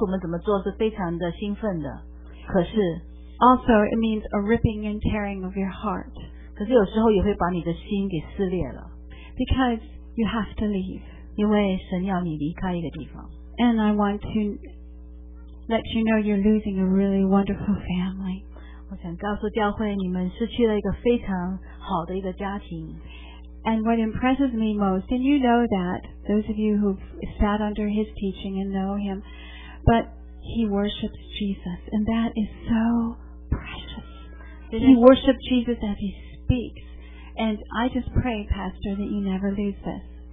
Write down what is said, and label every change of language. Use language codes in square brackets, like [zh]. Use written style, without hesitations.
[zh] 我们知道听到神的声音告诉我们怎么做是非常的兴奋的, 可是, [en] also it means a ripping and tearing of your heart. [zh] 可是有时候也会把你的心给撕裂了, [en] because you have to leave. [zh] 因为神要你离开一个地方, [en] and I want to let you know you're losing a really wonderful family. [zh] 我想告诉教会你们失去了一个非常好的一个家庭. [en] And what impresses me most, and you know that, those of you who've sat under his teaching and know him, but he worships Jesus, and that is so precious. He worships Jesus as he speaks, and I just pray, Pastor, that you never lose this.